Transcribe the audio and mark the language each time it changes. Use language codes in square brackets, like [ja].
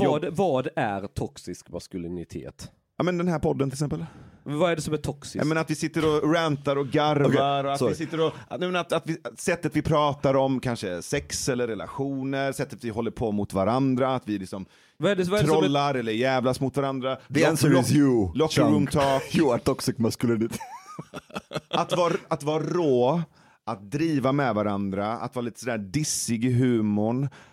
[sv] Vad är toxisk maskulinitet? Ja, men den här podden till exempel. Vad är det som är toxiskt? Ja, men att vi sitter och rantar och garvar. Okay, och att vi sitter och, sättet vi pratar om kanske sex eller relationer, sättet vi håller på mot varandra, att vi liksom... trollar eller jävlas mot varandra. [en] The answer is you, locker room talk. You are toxic masculinity. [sv] Att vara rå, att driva med varandra, att vara lite sådär dissig i humorn.